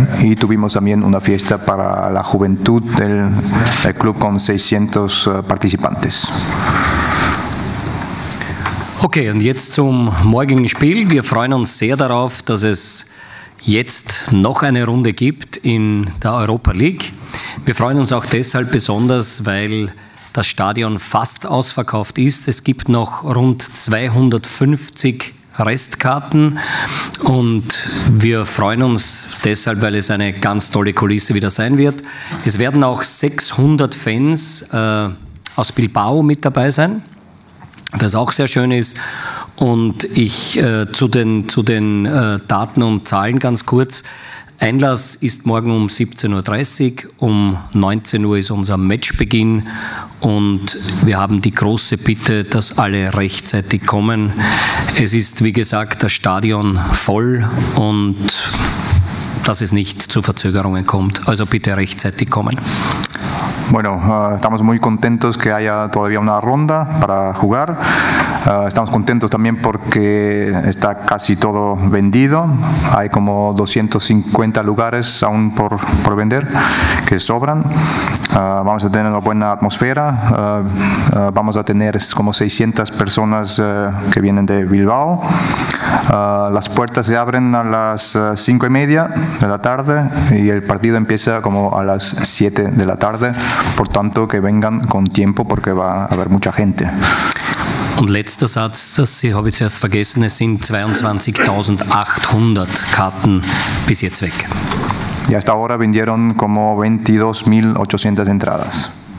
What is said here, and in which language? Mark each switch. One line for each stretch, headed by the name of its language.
Spanish: Y tuvimos también una fiesta para la juventud del club con 600 participantes.
German: Okay, und jetzt zum morgigen Spiel. Wir freuen uns sehr darauf, dass es jetzt noch eine Runde gibt in der Europa League. Wir freuen uns auch deshalb besonders, weil das Stadion fast ausverkauft ist. Es gibt noch rund 250 Restkarten und wir freuen uns deshalb, weil es eine ganz tolle Kulisse wieder sein wird. Es werden auch 600 Fans aus Bilbao mit dabei sein, das auch sehr schön ist. Und ich zu den Daten und Zahlen ganz kurz. Einlass ist morgen um 17.30 Uhr, um 19 Uhr ist unser Matchbeginn und wir haben die große Bitte, dass alle rechtzeitig kommen. Es ist, wie gesagt, das Stadion voll und dass es nicht zu Verzögerungen kommt. Also bitte rechtzeitig kommen.
Spanish: Bueno, estamos muy contentos que haya todavía una ronda para jugar. Estamos contentos también porque está casi todo vendido. Hay como 250 lugares aún por vender que sobran. Vamos a tener una buena atmósfera. Vamos a tener como 600 personas que vienen de Bilbao. Las puertas se abren a las 5:30 de la tarde y el partido empieza como a las 7 de la tarde. Por tanto, que vengan con tiempo porque va a haber mucha gente.
German: Und letzter Satz, das habe ich zuerst vergessen, es sind 22.800 Karten bis jetzt weg.
Spanish: Y hasta ahora vendieron como 22.800 entradas.